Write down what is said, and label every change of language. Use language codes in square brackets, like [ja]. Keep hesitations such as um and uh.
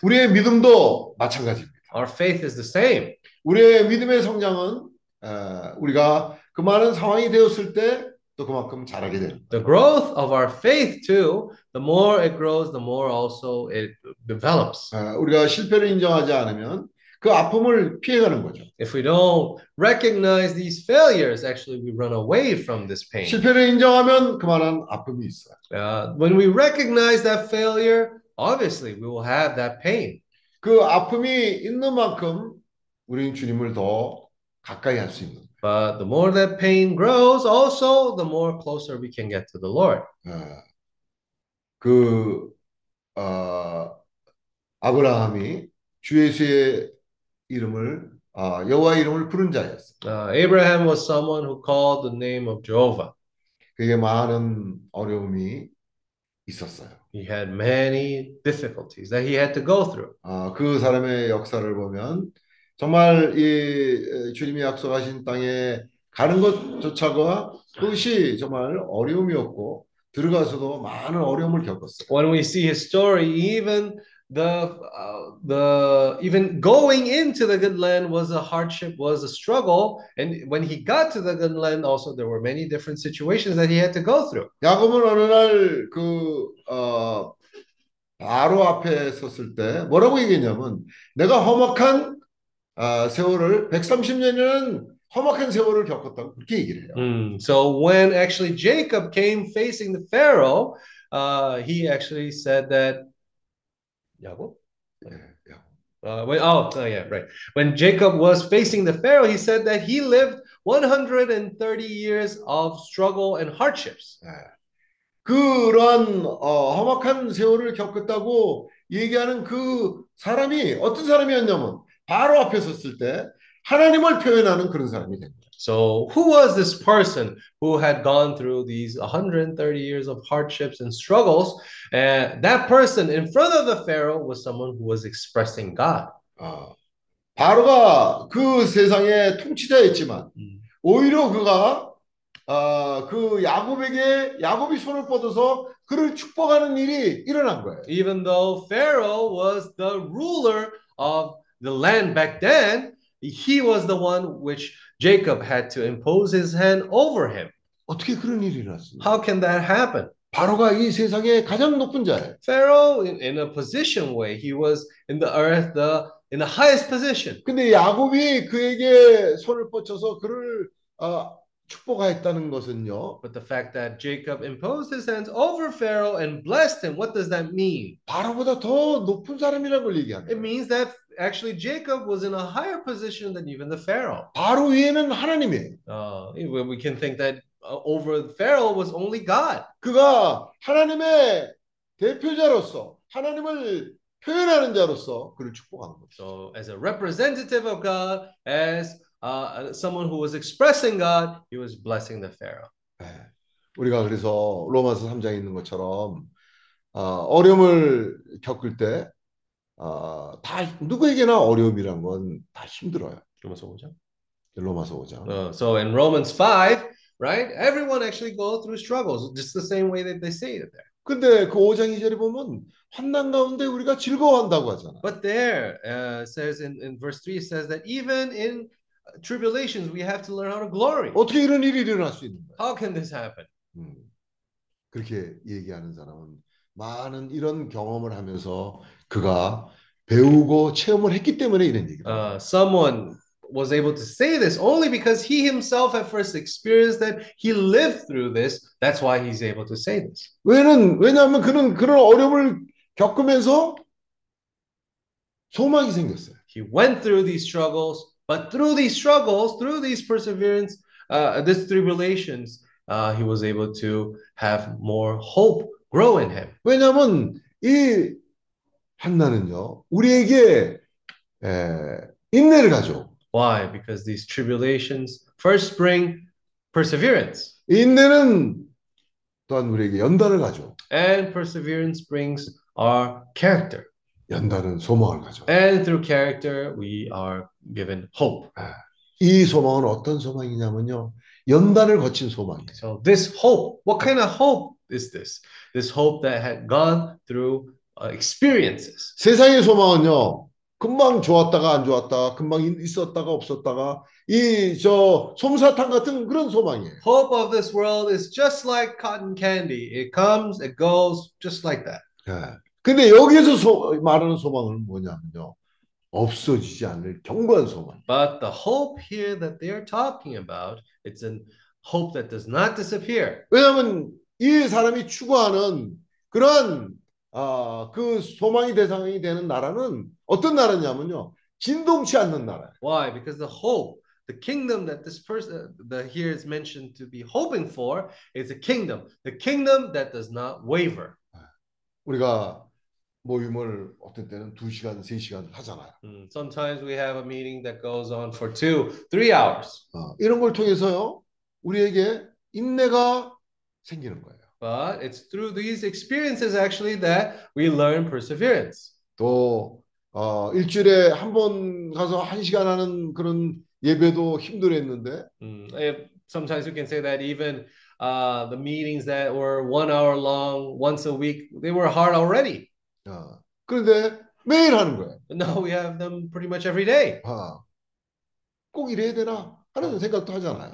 [ko] 우리의 믿음도 마찬가지입니다. [en] Our faith is the same. [ko] 우리의 믿음의 성장은 uh, 우리가 그 많은 상황이 또 그만큼 자라게 되는. [en] The growth of our faith too. The more it grows, the more also it develops. [ko] 우리가 실패를 인정하지 않으면 그 아픔을 피해가는 거죠. [en] If we don't recognize these failures, actually we run away from this pain. [ko] 실패를 인정하면 그만한 아픔이 있어. [en] Uh, when we recognize that failure, obviously we will have that pain. [ko] 그 아픔이 있는 만큼 우리는 주님을 더 가까이 할 수 있는. [en] But the more that pain grows, also the more closer we can get to the Lord. [ko] 그 어, 아브라함이 주의 이름을 어, 여호와 이름을 부른 자였어. [en] Uh, Abraham was someone who called the name of Jehovah. [ko] 그게 많은 어려움이 있었어요. [en] He had many difficulties that he had to go through. [ko] 아그 어, 사람의 역사를 보면. 정말 이 주님이 약속하신 땅에 가는 것조차가 그것이 정말 어려움이었고 들어가서도 많은 어려움을 겪었어요. [en] When we see his story, even the uh, the even going into the good land was a hardship, was a struggle. And when he got to the good land, also there were many different situations that he had to go through. [ko] 야곱은 어느 날그 어, 바로 앞에 섰을 때 뭐라고 얘기했냐면 내가 험악한 세월을 130년은 험악한 세월을 겪었던 그렇게 얘기를 해요. Mm. [en] So when actually Jacob came facing the Pharaoh, uh, he actually said that 야고 Uh, when, oh, oh, yeah, right. When Jacob was facing the Pharaoh, he said that he lived 130 years of struggle and hardships. [ko] 그런 어, 험악한 세월을 겪었다고 얘기하는 그 사람이 어떤 사람이었냐면 바로 앞에 섰을 때 하나님을 표현하는 그런 사람이 됩니다. [en] So who was this person who had gone through these 130 years of hardships and struggles? And that person in front of the Pharaoh was someone who was expressing God. [ko] 아, 바로가 그 세상의 통치자였지만 음. 오히려 그가 어, 그 야곱에게 야곱이 손을 뻗어서 그를 축복하는 일이 일어난 거예요. [en] Even though Pharaoh was the ruler of the land back then, he was the one which Jacob had to impose his hand over him. How can that happen? Pharaoh, in, in a position way, he was in the earth the, in the highest position. [ko] 그를, 어, [en] but the fact that Jacob imposed his hands over Pharaoh and blessed him, what does that mean? [ko] 바로보다 더 높은 사람이라는 걸 얘기하는. [en] It means that actually Jacob was in a higher position than even the Pharaoh. [ko] 바로 위에는 하나님이. [en] Uh, we can think that over the Pharaoh was only God. [ko] 그가 하나님의 대표자로서 하나님을 표현하는 [en] So as a representative of God, as uh, someone who was expressing God, he was blessing the Pharaoh. 네. [ko] 우리가 그래서 로마서 3장에 있는 것처럼 어, 어려움을 겪을 때 어, 다 누구에게나 어려움이란 건 다 힘들어요. 로마서 5장. 로마서 5장. [en] Uh, so in Romans 5, right? Everyone actually go through struggles just the same way that they say it there. [ko] 근데 그 5장 2절에 보면 환난 가운데 우리가 즐거워한다고 하잖아. [en] But there uh, says in, in verse 3 it says that even in tribulations we have to learn how to glory. [ko] 어떻게 이런 일이 일어날 수 있는 거야? [en] How can this happen? [ko] 음, 그렇게 얘기하는 사람은 많은 이런 경험을 하면서 그가 배우고 체험을 했기 때문에 이런 얘기다. [en] Uh, someone was able to say this only because he himself at first experienced that he lived through this. That's why he's able to say this. [ko] 왜는 왜냐하면 그는 그런 어려움을 겪으면서 소망이 생겼어요. [en] He went through these struggles, but through these struggles, through these perseverance, uh, these tribulations, uh, he was able to have more hope. grow in him. [ko] 왜냐하면 이 한나는요, 우리에게 에, 인내를 가져. [en] Why? Because these tribulations first bring perseverance. [ko] 인내는 또한 우리에게 연단을 가져. [en] And perseverance brings our character. [ko] 연단은 소망을 가져. [en] And through character, we are given hope. [ko] 이 소망은 어떤 소망이냐면요, 연단을 거친 소망이에요. [en] So this hope, what kind of hope? is this? This hope that had gone through experiences. [ko] 세상의 소망은요. 금방 좋았다가 안 좋았다가 금방 있었다가 없었다가 이저 솜사탕 같은 그런 소망이에요. [en] Hope of this world is just like cotton candy. It comes, it goes, just like that. 예. [ko] 근데 여기서 소, 말하는 소망은 뭐냐면요. 없어지지 않을 경건 소망. [en] But the hope here that they are talking about, it's an hope that does not disappear. [ko] 왜냐면 이 사람이 추구하는 그런 어, 그 소망이 대상이 되는 나라는 어떤 나라냐면요 진동치 않는 나라. [en] Why? Because the hope, the kingdom that this person, the here is mentioned to be hoping for, is a kingdom, the kingdom that does not waver. [ko] 우리가 모임을 어떤 때는 두 시간, 세 시간 하잖아요. [en] Sometimes we have a meeting that goes on for two, three hours. [ko] 어, 이런 걸 통해서요 우리에게 인내가 [en] But it's through these experiences actually that we learn perseverance. [ko] 또, 어, 일주일에 한 번 가서 한 시간 하는 그런 예배도 힘들었는데. Mm. [en] sometimes you can say that even uh, the meetings that were one hour long once a week they were hard already. [ko] 아, 그런데 매일 하는 거예요. [en] now we have them pretty much every day. [ko] 아, 꼭 이래야 되나 하는 생각도 하잖아요.